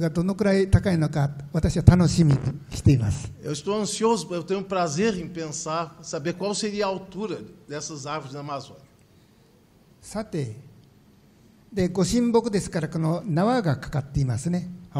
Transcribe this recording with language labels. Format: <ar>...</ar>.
<ja>Amazonの樹木がどのくらい高いのか、私は楽しみにしています。</ja> <pt>Eu estou ansioso, eu tenho prazer em pensar, saber qual seria a altura dessas árvores na Amazônia.</pt> <ja>さて、 で、ご神木ですから、この縄がかかっていますね。</ja>